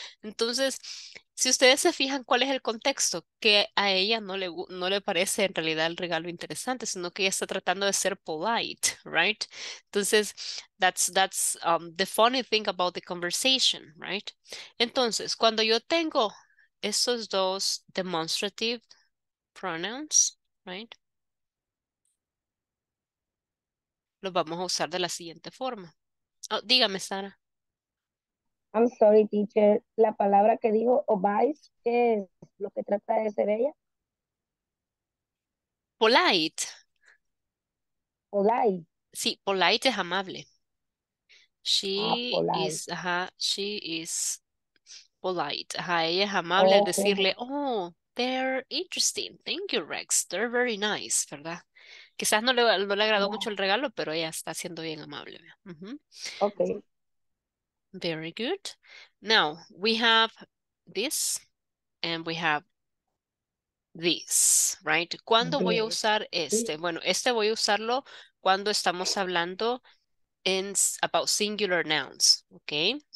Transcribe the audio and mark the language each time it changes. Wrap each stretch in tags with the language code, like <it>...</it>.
<es>Entonces, si ustedes se fijan cuál es el contexto, que a ella no le parece en realidad el regalo interesante, sino que ella está tratando de ser polite, right?</es> <en>Entonces, that's the funny thing about the conversation, right?</en> <es>Entonces, cuando yo tengo estos dos demonstrative pronouns, right? Los vamos a usar de la siguiente forma. Oh, dígame, Sara.</es> <en>I'm sorry, teacher.</en> <es>La palabra que digo, advice, ¿qué es lo que trata de ser ella?</es> <en>Polite. Polite.</en> <es>Sí, polite es amable.</es> <en>She polite. Is, ajá, she is polite.</en> <es>Ajá, ella es amable al decirle,</es> <en>oh, they're interesting. Thank you, Rex. They're very nice, ¿verdad?</en> <es>Quizás no le agradó mucho el regalo, pero ella está siendo bien amable. Uh-huh.</es> <en>Okay. Very good. Now, we have this and we have this, right?</en> <es>¿Cuándo voy a usar este? Bueno, este voy a usarlo cuando estamos hablando</es> <en>about singular nouns, okay?</en>